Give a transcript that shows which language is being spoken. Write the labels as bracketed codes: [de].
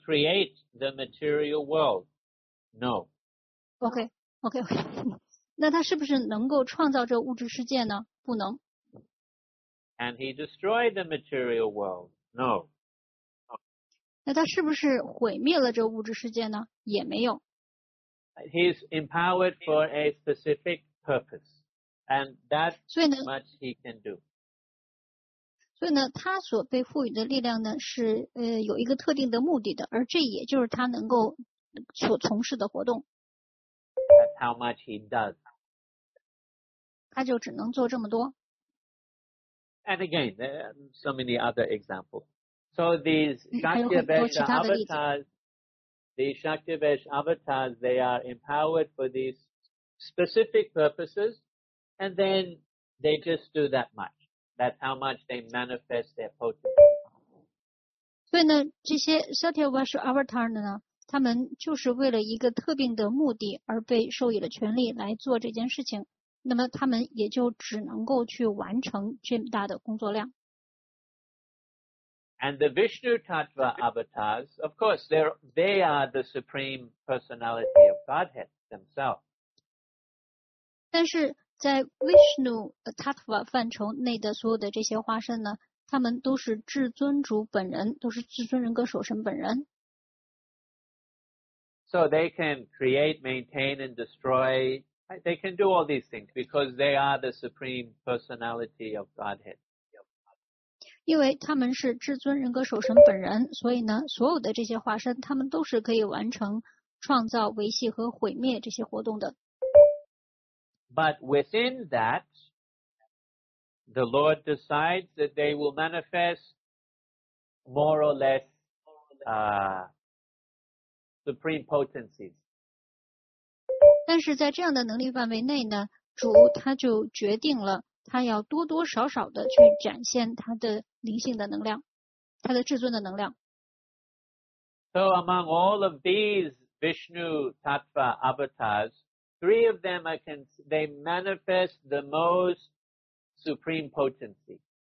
[en] create the material world? No. Okay. [zh] 那他是不是能够创造这物质世界呢？不能。 [en] Can he destroy the material world? No. [zh] 那他是不是毁灭了这物质世界呢？也没有。 [en] He's empowered for a specific purpose, and that's much he can do. [zh] 所以呢，他所被赋予的力量呢，是有一个特定的目的的，而这也就是他能够所从事的活动。 [en] That's how much he does. [zh] 他就只能做这么多。 [en] And again, there are so many other examples. So these Shaktivesh avatars, they are empowered for these specific purposes, and then they just do that much. That's how much they manifest their potency. [zh] 所以呢，这些 Satyavasa Avatar 呢，他们就是为了一个特定的目的而被授予了权利来做这件事情。那么他们也就只能够去完成这么大的工作量。 [en] And the Vishnu Tattva avatars, of course, they are the supreme personality of Godhead themselves. [zh] 但是在 Vishnu Tattva 范畴内的所有的这些化身呢，他们都是至尊主本人，都是至尊人格守神本人。 [en] So they can create, maintain, and destroy. They can do all these things because they are the supreme personality of Godhead. [zh] 因为他们是至尊人格守神本人，所以呢，所有的这些化身，他们都是可以完成创造、维系和毁灭这些活动的。 [en] But within that, the Lord decides that they will manifest more or less, supreme potencies. [zh] 但是在这样的能力范围内呢，主他就决定了，他要多多少少的去展现他的灵性的能量，他的至尊的能量。 [en] So among all of these Vishnu Tattva avatars, three of them they manifest the most supreme potency.